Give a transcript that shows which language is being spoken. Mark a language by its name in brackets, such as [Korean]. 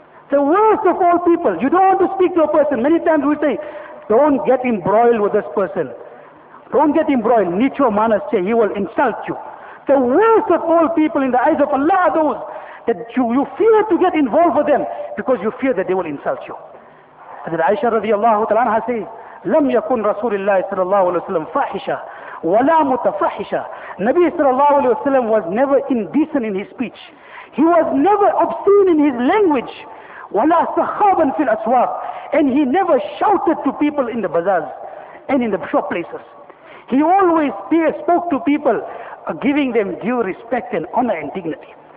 [English] The worst of all people, you don't want to speak to a person. Many times we say, don't get embroiled with this person. Don't get embroiled. [Gujarati] Nicho manas che, [English] he will insult you. The worst of all people in the eyes of Allah are those that you fear to get involved with them because you fear that they will insult you. Hazrat Aisha radiallahu ta'ala anha says, [Arabic] لم يكن رسول الله صلى الله عليه وسلم فاحشة ولا متفحشة. [English] Nabi صلى الله عليه وسلم was never indecent in his speech. He was never obscene in his language. [Arabic] ولا سخابا في الأسواق. [English] And he never shouted to people in the bazaars and in the shop places. He always spoke to people, giving them due respect and honor and dignity.